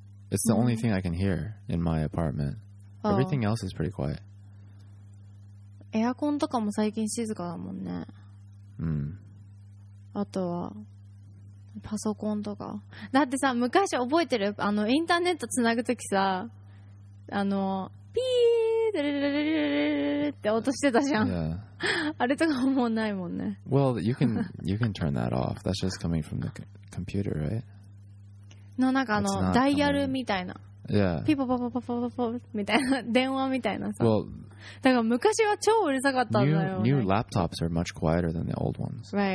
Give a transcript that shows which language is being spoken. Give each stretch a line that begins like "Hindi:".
English: It's the only thing I can hear in my apartment. Oh. Everything else is pretty quiet.
Japanese: エアコンとかも最近静かだもんね。あとは、パソコンとか。だってさ、昔覚えてる?あの、インターネット繋ぐときさ、あの、ピーって音してたじゃん。あれとかもうないもんね。
English: Well, you can turn that off. That's just coming from the computer, right?
Japanese: のなんかあのダイヤルみたいな。ピポポポポポポみたいな電話みたいなさ。だから昔は超うるさかったんだよ。New
English: laptops are much quieter than the old ones.